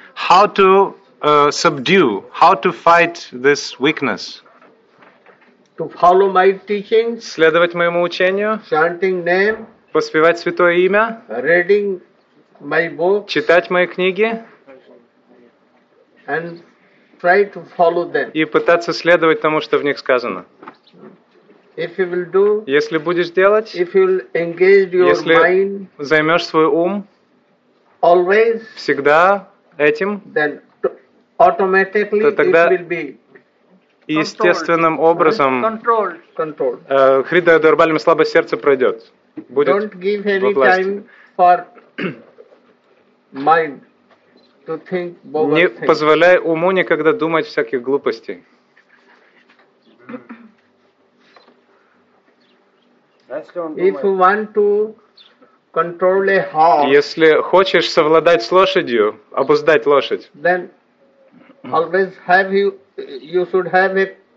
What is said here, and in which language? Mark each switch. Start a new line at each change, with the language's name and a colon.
English: How to subdue, how to fight this weakness? To follow my teachings.
Russian: Следовать моему учению.
English: Chanting name.
Russian: Поспевать святое имя,
English: reading my books,
Russian: читать мои книги
English: and try to follow them.
Russian: И пытаться следовать тому, что в них сказано.
English: If you will do,
Russian: если будешь делать,
English: if you will engage your
Russian: если
English: mind,
Russian: займешь свой ум
English: always,
Russian: всегда этим,
English: then automatically
Russian: то тогда
English: it will be
Russian: естественным образом
English: controlled.
Russian: Hridaya Durbalyam, слабое сердце пройдет. Будет
English: don't give any time for mind to think bogus things.
Russian: Не позволяй уму никогда думать всяких глупостей.
English: If you want to control a horse,
Russian: если хочешь совладать с лошадью, обуздать лошадь,
English: then always have you should have a